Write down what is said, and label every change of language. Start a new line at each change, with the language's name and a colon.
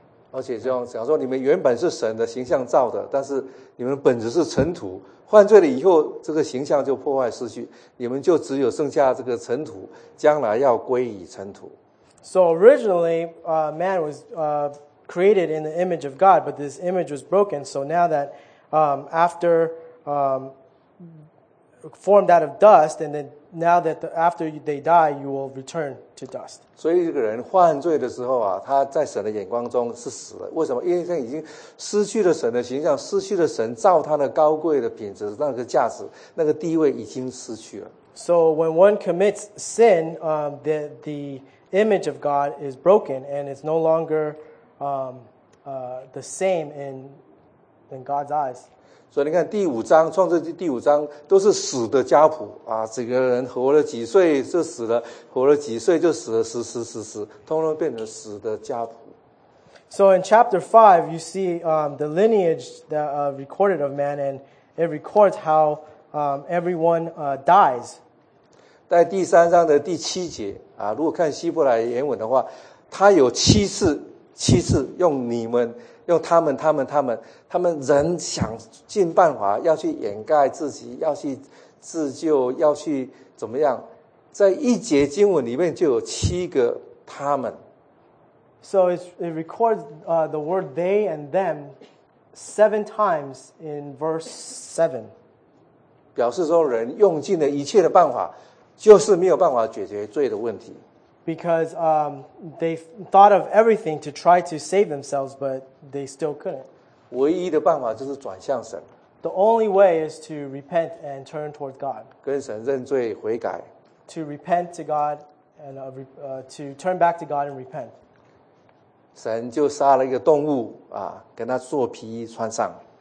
Chinese: 而且这样，假如说你们原本是神的形象造的，但是你们本质是尘土，犯罪了以后，这个形象就破坏失去，你们就只有剩下这个尘土，将来要归于尘土。
English: So originally, man was created in the image of God, but this image was broken. So now that formed out of dust, and then now that after they die, you will return to dust.
Chinese: 所以这个人犯罪的时候啊，他在神的眼光中是死了。为什么？因为他已经失去了神的形象，失去了神造他的高贵的品质，那个价值，那个地位已经失去了。
English: So when one commits sin, the image of God is broken, and it's no longer the same in God's eyes.
Chinese: 所以你看第五章，创世纪第五章都是死的家谱啊，整个人活了几岁就死了，活了几岁就死了，死死死死，通通变成死的家谱。
English: So in chapter 5, you see the lineage that recorded of man, and it records how everyone dies.
Chinese: 在第三章的第七节啊，如果看希伯来原文的话，他有七次。七次用你们，用他们，他们，他们，他们人想尽办法要去掩盖自己，要去自救，要去怎么样？在一节经文里面就有七个他们。
English: So it records the word they and them seven times in verse 7.
Chinese: 表示说人用尽了一切的办法，就是没有办法解决罪的问题。
English: Because they thought of everything to try to save themselves, but they still couldn't.
Chinese: 唯一的办法就是转向神。
English: The only way is to repent and turn towards God.
Chinese: 跟神认罪悔改。
English: To repent to God and to turn back to God and repent.
Chinese: 神就杀了一个动物啊，跟他做皮衣穿上。